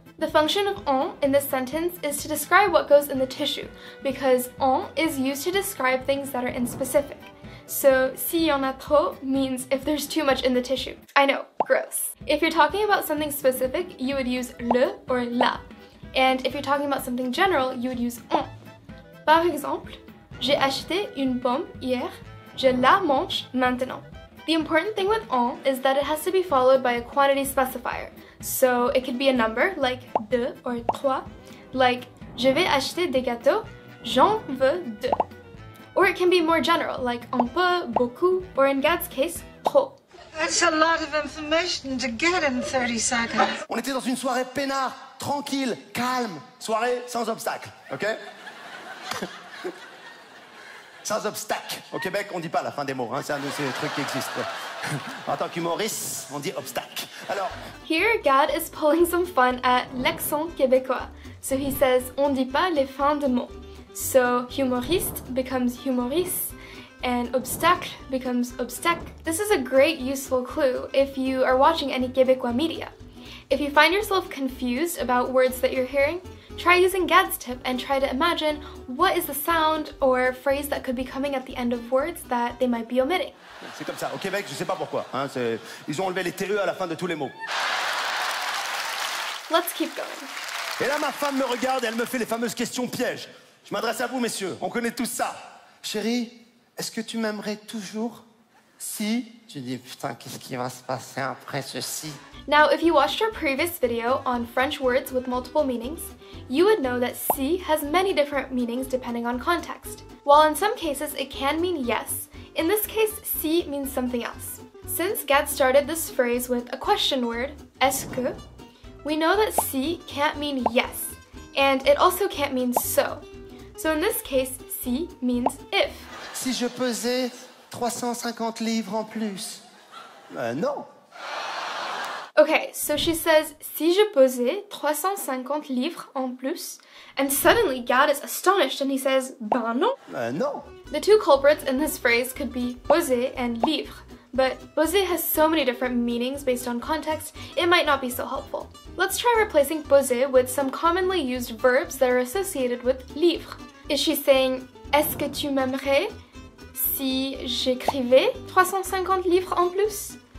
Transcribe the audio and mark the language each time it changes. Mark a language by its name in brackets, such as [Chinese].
[English] The function of en in this sentence is to describe what goes in the tissue, because en is used to describe things that are in specific. So, [French] si y en a trop [English] means if there's too much in the tissue. I know, gross. If you're talking about something specific, you would use le or la. And if you're talking about something general, you would use on. [French] Par exemple, j'ai acheté une pomme hier, je la mange maintenant. [English] The important thing with on is that it has to be followed by a quantity specifier. So it could be a number, like deux or trois, like [French] je vais acheter des gâteaux, j'en veux deux. [English] Or it can be more general, like un peu, beaucoup, or in Gad's case, trop. That's a lot of information to get in 30 seconds. [French] On était dans une soirée peinard, tranquille, calme, soirée sans obstacle, ok? Sans obstacle. Au Québec, on dit pas la fin des mots, hein. C'est un de ces trucs qui existent. En tant qu'humoriste, on dit obstacle. Alors. [English] Here, Gad is pulling some fun at l'accent québécois. So he says, [French] on dit pas les fins de mots. [English] So humoriste becomes humoriste, and obstacle becomes obstacle. This is a great useful clue if you are watching any Québécois media. If you find yourself confused about words that you're hearing, try using Gad's tip and try to imagine what is the sound or phrase that could be coming at the end of words that they might be omitting. [French] C'est comme ça. Au Québec, je sais pas pourquoi. Hein, ils ont enlevé les TRE à la fin de tous les mots. [English] Let's keep going. [French] Et là, ma femme me regarde et elle me fait les fameuses questions pièges. Je m'adresse à vous, messieurs. On connaît tous ça. Chérie, est-ce que tu m'aimerais toujours? Si, tu dis, putain, qu'est-ce qui va se passer après ceci? [English] Now, if you watched our previous video on French words with multiple meanings, you would know that si has many different meanings depending on context. While in some cases it can mean yes, in this case, si means something else. Since Gad started this phrase with a question word, est-ce que, we know that si can't mean yes, and it also can't mean so. So in this case, si means if. [French] Si je pesais 350 livres en plus. Non. [English] Okay, so she says, [French] si je pesais 350 livres en plus, [English] and suddenly Gad is astonished and he says, [French] ben non. Non. [English] The two culprits in this phrase could be peser and livre, but peser has so many different meanings based on context, it might not be so helpful. Let's try replacing peser with some commonly used verbs that are associated with livre. Is she saying, [French] est-ce que tu m'aimerais si j'écrivais 350 livres en plus?